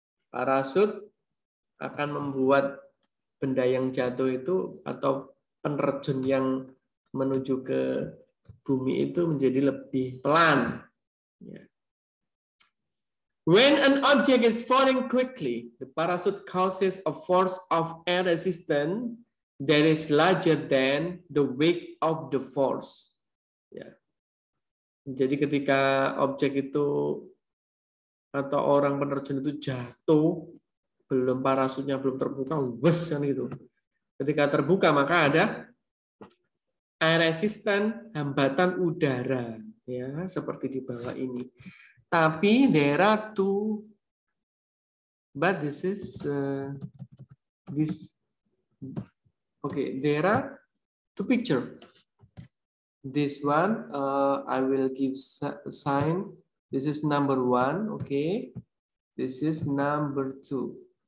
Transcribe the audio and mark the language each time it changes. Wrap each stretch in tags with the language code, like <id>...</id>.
<id>Parachute akan membuat benda yang jatuh itu atau penerjun yang menuju ke bumi itu menjadi lebih pelan.</id> <en>When an object is falling quickly, the parachute causes a force of air resistance that is larger than the weight of the force.</en> <id>Jadi ketika objek itu atau orang penerjun itu jatuh, belum parasutnya belum terbuka, wes kan gitu. Ketika terbuka maka ada air resistant, hambatan udara, ya seperti di bawah ini.</id> <en>Tapi there are two, but this is this. Okay, there are two picture. This one I will give sign. This is number one. Okay, this is number two.</en>